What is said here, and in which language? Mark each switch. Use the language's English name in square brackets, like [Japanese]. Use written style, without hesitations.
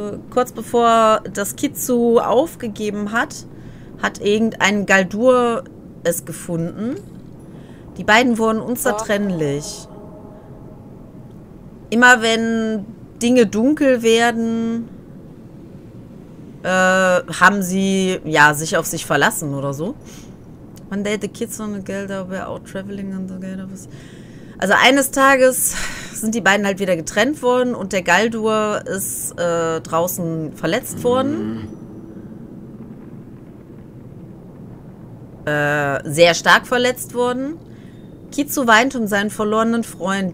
[German] Kurz bevor das Kitsu aufgegeben hat, hat irgendein Galdur es gefunden. Die beiden wurden unzertrennlich. Immer wenn Dinge dunkel werden, haben sie ja sich auf sich verlassen oder so. [English] One day the kids on the Galdur were out traveling on the Galdur. [German] Also eines Tages sind die beiden halt wieder getrennt worden und der Galdur ist draußen verletzt worden. Sehr stark verletzt worden. Kitsu weint um seinen verlorenen Freund.